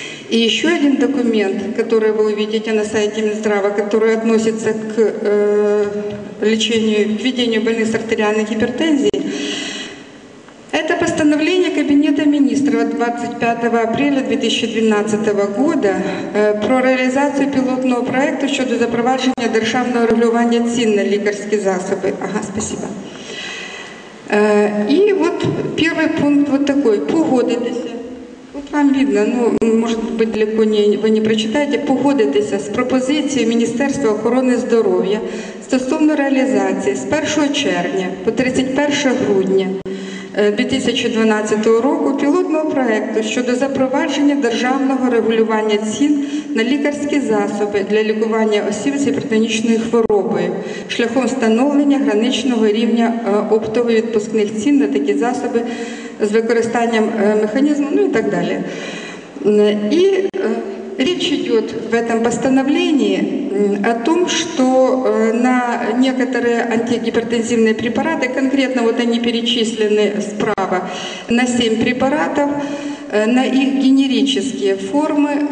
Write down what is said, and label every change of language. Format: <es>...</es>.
<ru>И еще один документ, который вы увидите на сайте Минздрава, который относится к лечению, введению больных с артериальной гипертензией, это постановление Кабинета министров 25 апреля 2012 года про реализацию пилотного проекта</ru> <uk>щодо запровадження державного регулювання цін на лікарські засоби.</uk> <ru>Ага, спасибо. И вот первый пункт вот такой. Погодитесь. Вот вам видно, ну, может быть, далеко не, вы не прочитаете. Погодитесь с пропозицией Министерства охраны здоровья стосовно реализации с</ru> <uk>1 червня по 31 грудня 2012 року пилотного проекту щодо запровадження державного регулювання цін на лікарські засоби для лікування осіб з гіпертонічною хворобою шляхом встановлення граничного рівня оптової відпускних цін на такі засоби з використанням механізму, ну і так далі.</uk> <ru>І речь йде в этом постановлении о том, что на некоторые антигипертензивные препараты, конкретно вот они перечислены справа, на 7 препаратов, на их генерические формы</ru>